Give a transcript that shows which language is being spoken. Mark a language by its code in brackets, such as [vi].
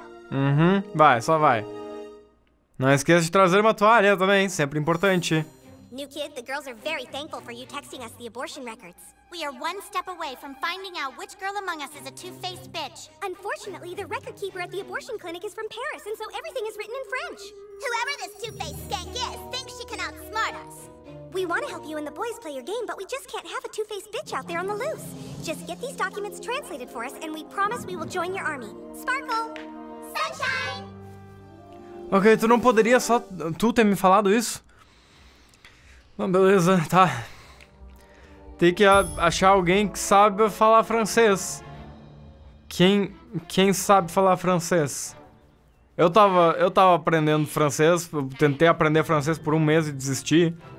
[pt] Uhum, vai, só vai. Não esqueça de trazer uma toalha também, sempre importante. [en] New kid, the girls are very thankful for you texting us the abortion records. We are one step away from finding out which girl among us is a two-faced bitch. Unfortunately, the record keeper at the abortion clinic is from Paris, and so everything is written in French. Whoever this two-faced skank is thinks she can outsmart us. We want to help you and the boys play your game, but we just can't have a two-faced bitch out there on the loose. Just get these documents translated for us, and we promise we will join your army. Sparkle! Sunshine! [pt] Ok, tu não poderia só tu ter me falado isso? Não, beleza, tá. Tem que achar alguém que saiba falar francês. Quem sabe falar francês? Eu tava aprendendo francês, tentei aprender francês por um mês e desisti.